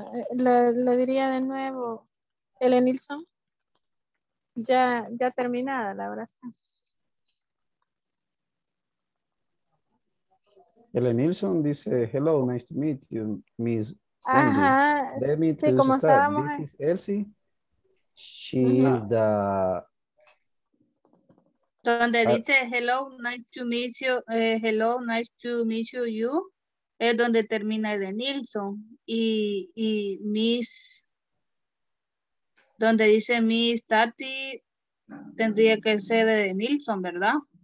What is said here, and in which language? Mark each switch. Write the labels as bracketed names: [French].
[Spanish] Le diría de nuevo, Ellen Nilsson, ya terminada la oración. [English] Ellen Nilsson [Spanish] dice, [English] hello, nice to meet you, Miss. [Spanish] Ajá, sí, como estábamos. [English] This is Elsie. She is the... [Spanish] Donde dice, [English] hello, nice to meet you, hello, nice to meet you, you. [Spanish] Es donde termina Ellen Nilsson y Miss, donde dice Miss Tati, tendría que ser de Nilsson, ¿verdad?